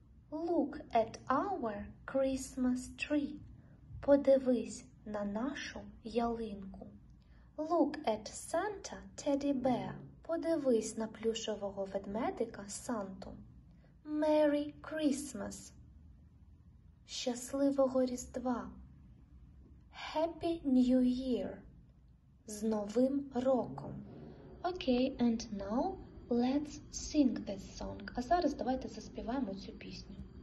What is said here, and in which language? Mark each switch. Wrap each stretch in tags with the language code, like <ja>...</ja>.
<en>Look at our Christmas tree.</en> <uk>Подивись на нашу ялинку.</uk> <en>Look at Santa teddy bear.</en> <uk>Подивись на плюшевого ведмедика Санту.</uk> <en>Merry Christmas.</en> <uk>Щасливого Різдва.</uk> <en>Happy New Year!</en> <uk>З Новим Роком!</uk> <en>Okay, and now let's sing this song.</en> <uk>А зараз давайте заспіваємо цю пісню.</uk>